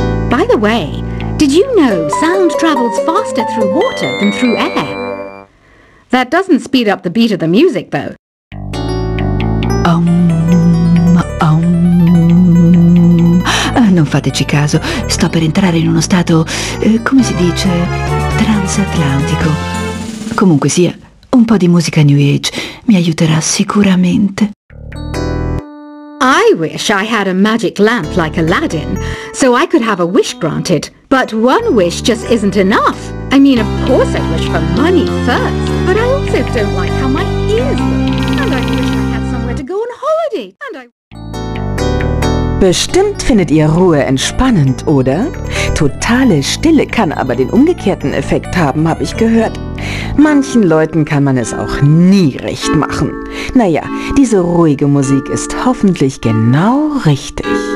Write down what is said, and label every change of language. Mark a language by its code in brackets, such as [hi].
[en] By the way, did you know sound travels faster through water than through air? That doesn't speed up the beat of the music, though. [it] Non fateci caso, sto per entrare in uno stato, come si dice, transatlantico. Comunque sia, un po' di musica New Age mi aiuterà sicuramente. [en] I wish I had a magic lamp like Aladdin, so I could have a wish granted. But one wish just isn't enough. I mean, of course I wish for money first, but I also don't like how my ears look. And I wish I had somewhere to go on holiday. And I... [de] Bestimmt findet ihr Ruhe entspannend, oder? Totale Stille kann aber den umgekehrten Effekt haben, habe ich gehört. Manchen Leuten kann man es auch nie recht machen. Naja, diese ruhige Musik ist hoffentlich genau richtig.